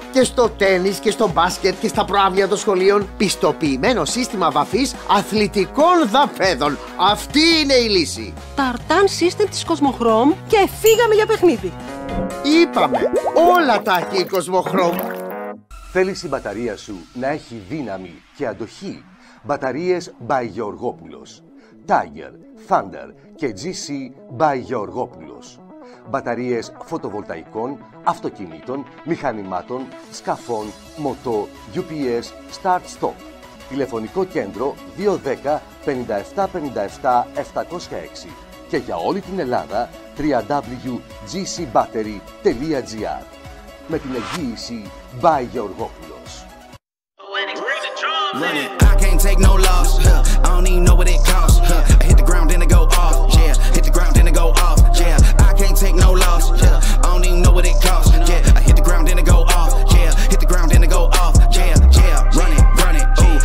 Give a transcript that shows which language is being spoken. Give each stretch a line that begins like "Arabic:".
Greek: Και στο τένις και στο μπάσκετ και στα προάβλια των σχολείων. Πιστοποιημένο σύστημα βαφής αθλητικών δαπέδων. Αυτή είναι η λύση. Tartan System της Cosmochrome και φύγαμε για παιχνίδι. Είπαμε, όλα τα έχει η Cosmochrome. Θέλεις η μπαταρία σου να έχει δύναμη και αντοχή? Μπαταρίες by Γεωργόπουλος. Tiger, Thunder και GC by Γεωργόπουλος. Μπαταρίες φωτοβολταϊκών, αυτοκινήτων, μηχανημάτων, σκαφών, μοτό, UPS, Start Stop. Τηλεφωνικό κέντρο 210-5757-706 και για όλη την Ελλάδα www.gcbattery.gr με την εγγύηση by Γεωργόπουλος.
English: I can't take no loss, huh. I don't even know what it costs, huh. I hit the ground and it go off, yeah. Hit the ground and it go off, yeah. I can't take no loss, huh. I don't even know what it costs, yeah. I hit the ground and it go off, yeah. Hit the ground and it go off, yeah, yeah. Run it, run it, ooh.